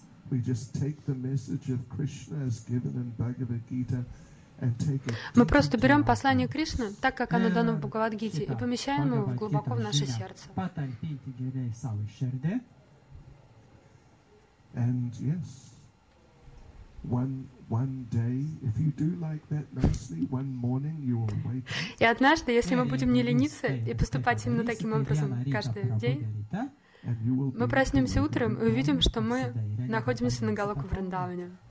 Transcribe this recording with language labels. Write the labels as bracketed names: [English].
[English] We just take the message of Krishna as given in Bhagavad Gita and take it. [Russian] Мы просто берем послание Кришны, так как оно дано в Бхагавад-гите, и помещаем его глубоко в наше сердце. [Lithuanian] Patalpinti giliai savo širdį. [English] And yes, one day, if you do like that nicely, one morning you will wake up. [Russian] И однажды, если мы будем не лениться и поступать именно таким образом каждый день, мы проснемся утром и увидим, что мы находимся на Галоке Вриндаване.